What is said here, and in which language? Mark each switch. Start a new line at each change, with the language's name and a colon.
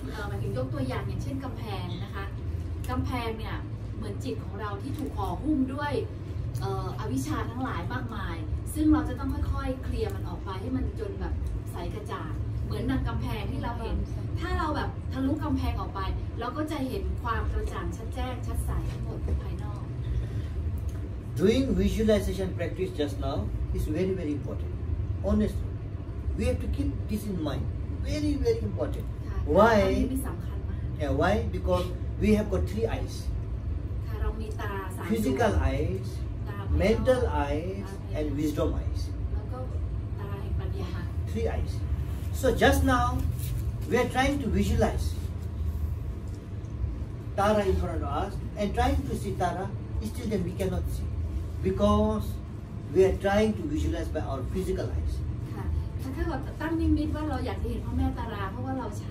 Thai: มันถึงยกตัวอย่างอย่างเช่นกำแพงนะคะกำแพงเนี่ยเหมือนจิตของเราที่ถูกห่อหุ้มด้วย อวิชชาทั้งหลายมากมายซึ่งเราจะต้องค่อยๆเคลียร์มันออกไปให้มันจนแบบใสกระจ่างเหมือนนางกำแพงที่เราเห็นถ้าเราแบบทะลุกำแพงออกไปเราก็จะเห็นความกระจ่างชัดแจ้งชัดใสทั้งหมดภายนอก
English: Doing visualization practice just now is very very important honestly we have to keep this in mind very very importantWhy? Yeah, why? Because we have got three eyes.
Thai: มีตา3
English: physical eyes mental eyes and wisdom eyes
Thai: แล้วก็ตาแห่งปัญญา
English: 3 eyes so just now we are trying to visualize tara in front of us and trying to see tara still then we cannot see becauseWe are trying to visualize by our physical eyes.
Thai: ค่ะถ้าเกิดตั้งนิมิตว่าเราอยากเห็นพ่อแม่ตาราเพราะว่าเราใช